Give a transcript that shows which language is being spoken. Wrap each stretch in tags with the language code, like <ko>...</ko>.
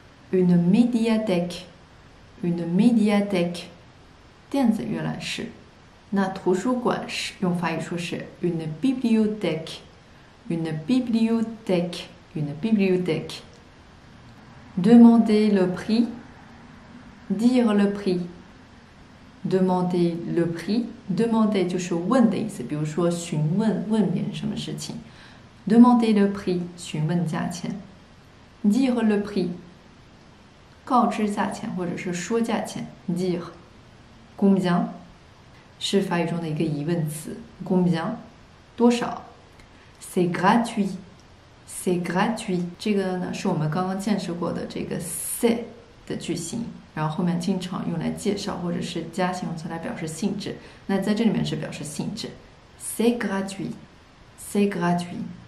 <fr>Une médiathèque, une médiathèque,</fr> <zh>电子阅览室。那图书馆是用法语说是</zh> <fr>une bibliothèque, une bibliothèque, une bibliothèque. Demander le prix, dire le prix. Demander le prix, demander</fr> <zh>就是问的意思，比如说询问问别人什么事情。</zh> <fr>Demander le prix,</fr> <zh>询问价钱。</zh> <fr>Dire le prix.</fr> <zh>告知价钱或者是说价钱</zh> <fr>dire combien</fr> <zh>是法语中的一个疑问词 combien 多少</zh> <fr>c'est gratuit c'est gratuit</fr> <zh>这个呢是我们刚刚见识过的这个</zh> <fr>c'est</fr> <zh>的句型然后后面经常用来介绍或者是加形容词来表示性质那在这里面是表示性质 c'est gratuit c'est gratuit</zh>